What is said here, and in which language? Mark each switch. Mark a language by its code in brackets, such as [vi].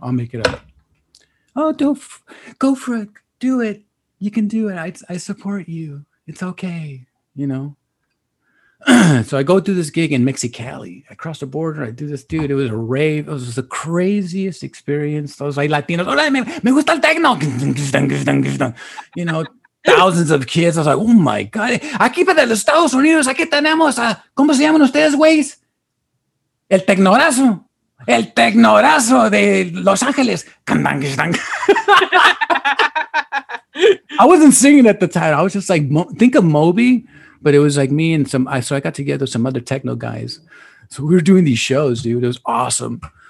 [en] I'll make it up. Oh, don't go for it. Do it. You can do it. I support you. It's okay. You know? So I go do this gig in Mexicali. I cross the border. I do this, dude. It was a rave. It was the craziest experience. I was like, Latinos, [es] hola, me gusta el techno. [en] You know, thousands of kids. I was like, oh my God. [es] Aquí para los Estados Unidos, aquí tenemos, ¿cómo se llaman ustedes, güeyes? El tecnorazo. El tecnorazo de Los Angeles. [en] I wasn't singing at the time. I was just like, think of Moby, but it was like me and some, so I got together with some other techno guys. So we were doing these shows, dude. It was awesome.